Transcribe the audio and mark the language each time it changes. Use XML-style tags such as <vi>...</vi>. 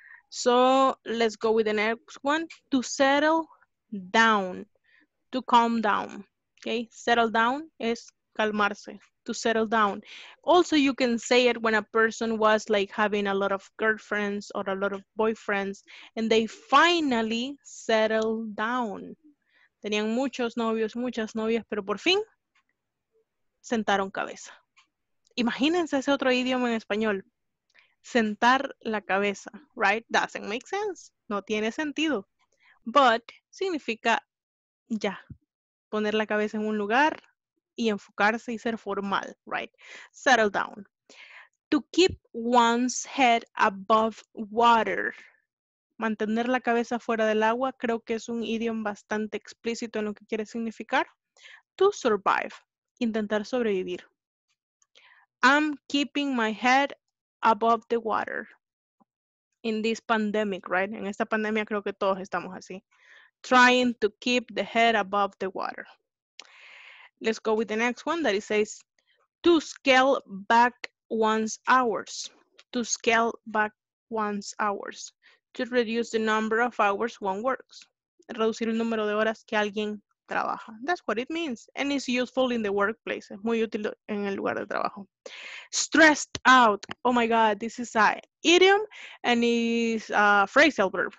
<en>So let's go with the next one. To settle down. To calm down. Okay. Settle down</en> <es>es calmarse.</es> <en>To settle down. Also, you can say it when a person was like having a lot of girlfriends or a lot of boyfriends and they finally settle down.</en> <es>Tenían muchos novios, muchas novias, pero por fin sentaron cabeza. Imagínense ese otro idioma en español. Sentar la cabeza,</es> <en>right? Doesn't make sense.</en> <es>No tiene sentido. But significa ya. Poner la cabeza en un lugar y enfocarse y ser formal,</es> <en>right? Settle down. To keep one's head above water.</en> <es>Mantener la cabeza fuera del agua, creo que es un idioma bastante explícito en lo que quiere significar.</es> <en>To survive,</en> <es>intentar sobrevivir.</es> <en>I'm keeping my head above the water in this pandemic, right?</en> <es>En esta pandemia creo que todos estamos así.</es> <en>Trying to keep the head above the water. Let's go with the next one that it says, to scale back one's hours. To scale back one's hours. To reduce the number of hours one works.</en> <es>Reducir el número de horas que alguien trabaja.</es> <en>That's what it means. And it's useful in the workplace.</en> <es>Es muy útil en el lugar de trabajo.</es> <en>Stressed out. Oh my God, this is a idiom and is a phrasal verb.</en>